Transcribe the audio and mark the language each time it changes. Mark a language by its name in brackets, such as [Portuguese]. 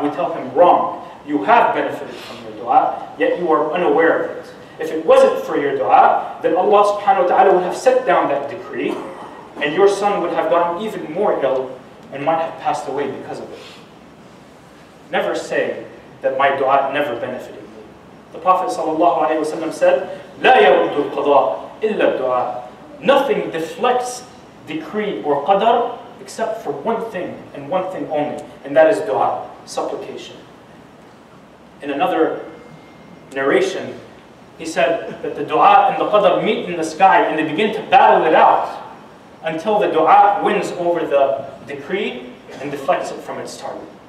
[English] We tell him, wrong. You have benefited from your dua, yet you are unaware of it. If it wasn't for your dua, then Allah subhanahu wa ta'ala would have set down that decree, and your son would have gotten even more ill and might have passed away because of it. Never say that my dua never benefited me. The Prophet ﷺ said, [Arabic] لا يرد القضاء إلا الدعاء. [English] Nothing deflects decree or qadr except for one thing and one thing only, and that is dua, supplication. In another narration, he said that the dua and the qadr meet in the sky and they begin to battle it out until the dua wins over the decree and deflects it from its target.